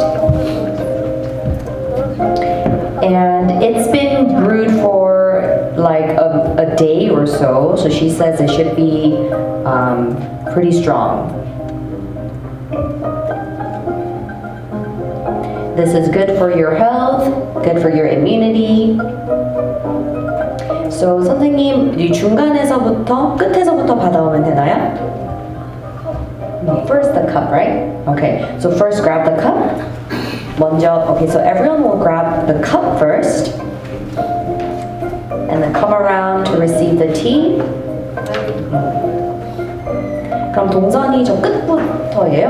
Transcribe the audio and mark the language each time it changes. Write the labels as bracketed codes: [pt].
[en] And it's been brewed for like a day or so. So she says it should be pretty strong. This is good for your health, good for your immunity. [ko] So 선생님, 이 중간에서부터 끝에서부터 받아오면 되나요? [en] First the cup, right? Okay, so first grab the cup. 먼저, okay, so everyone will grab the cup first. And then come around to receive the tea. [ko] 그럼 동선이 저 끝부터예요?